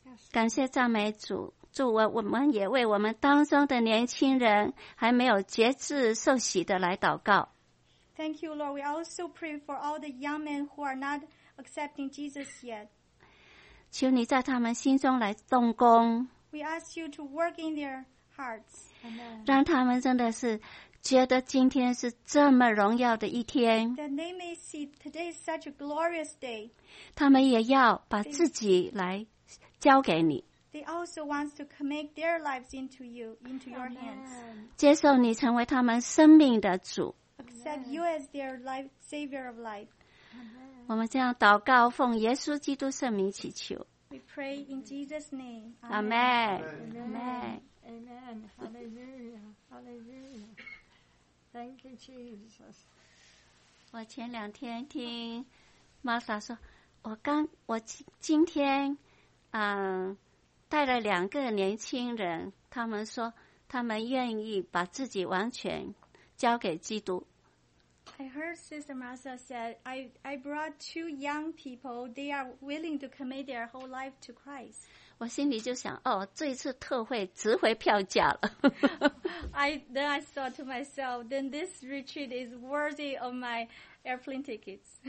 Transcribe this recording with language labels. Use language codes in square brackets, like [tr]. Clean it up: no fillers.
[zh] 感谢赞美主，祝我们也为我们当中的年轻人还没有节制受洗的来祷告。 [en] Thank you, Lord. We also pray for all the young men who are not accepting Jesus yet. [zh] 求你在他们心中来动工。 [en] We ask you to work in their hearts. [zh] 让他们真的是觉得今天是这么荣耀的一天。 [en] That they may see today is such a glorious day. [zh] 他们也要把自己来交给你。 [en] They also want to commit their lives into you, into your hands. [zh] 接受你成为他们生命的主。 [en] Accept you as their life, savior of life. [zh] 我们这样祷告，奉耶稣基督圣名祈求。 [en] We pray in Jesus' name. Amen. Amen. Amen. Hallelujah. Hallelujah. Thank you, Jesus. [zh] 我前两天听 Martha 说，我今天带了两个年轻人，他们说他们愿意把自己完全交给基督。 [en] I heard Sister Martha said, I brought two young people, they are willing to commit their whole life to Christ. [zh] 我心里就想，哦，这一次特会值回票价了。 [en] Then I thought to myself, then this retreat is worthy of my airplane tickets.